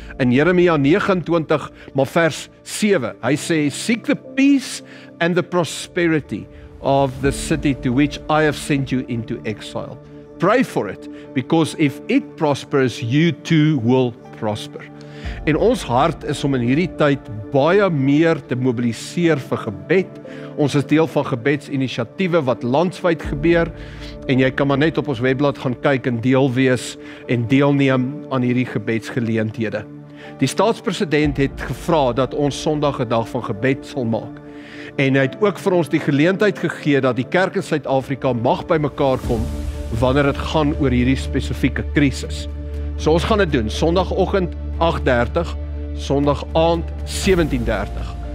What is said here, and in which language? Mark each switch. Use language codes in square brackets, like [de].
[af] In Jeremia 29, maar vers 7, hy sê, [en] "Seek the peace and the prosperity of the city to which I have sent you into exile. Pray for it, because if it prospers, you too will prosper." [af] In ons hart is om in hierdie tyd baie meer te mobiliseer vir gebed. Ons is deel van gebedsinitiatieven wat landwijd gebeur, en jy kan maar net op ons webblad gaan kyk en deel wees en deelneem aan hierdie gebedsgeleenthede. Die staatspresident het gevra dat ons Sondag een dag van gebed sal maak. En hy het ook vir ons die geleentheid gegee dat die kerk in Suid-Afrika mag by mekaar kom wanneer het gaan oor hierdie spesifieke krisis. So ons gaan het doen, Sondagochtend 8:30, Sondagavond 17:30.